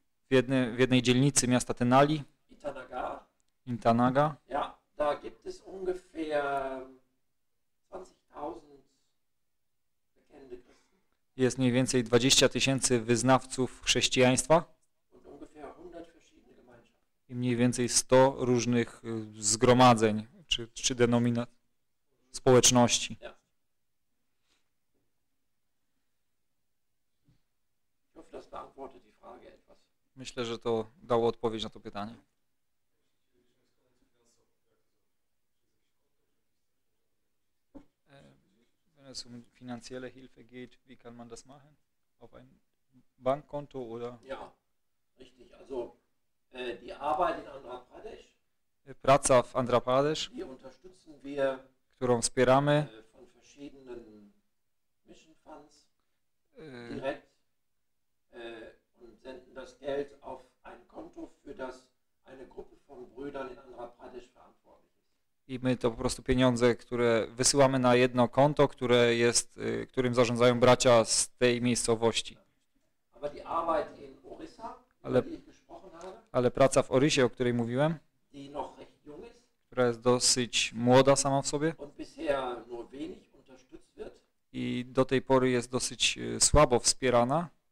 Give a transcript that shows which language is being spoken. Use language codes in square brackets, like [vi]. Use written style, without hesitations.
[pl] W jednej dzielnicy miasta Tenali. Itanaga. [de] Ja, da gibt es ungefähr 20.000 bekennende Christen. [pl] Jest mniej więcej 20 tysięcy wyznawców chrześcijaństwa. [de] Und ungefähr 100 verschiedene Gemeinschaften. [pl] I mniej więcej 100 różnych zgromadzeń, czy denominacji, społeczności. [de] Ja. Ich hoffe, das beantwortet die Frage. [pl] Myślę, że to dało odpowiedź na to pytanie. [de] Wenn es um finanzielle Hilfe geht, wie kann man das machen? Auf ein Bankkonto oder? Ja, richtig. Also die Arbeit in Andhra Pradesh. [pl] Praca w Andhra Pradesh. [de] Die unterstützen wir. [pl] Którą wspieramy. [de] Von verschiedenen Mission Funds. Direkt. Und senden das Geld auf ein Konto, für das eine Gruppe von Brüdern in Andhra Pradesh verantwortlich ist. [pl] I my to po prostu pieniądze, które wysyłamy na jedno konto, które jest, którym zarządzają bracia z tej miejscowości. [de] Aber die Arbeit in Orissa, [pl] ale, [de] über die ich gesprochen habe, [pl] ale praca w Orisie, o której mówiłem, [de] die noch recht jung ist, [pl] która jest dosyć młoda sama w sobie [de] und bisher nur wenig unterstützt wird, [pl] i do tej pory jest dosyć słabo wspierana.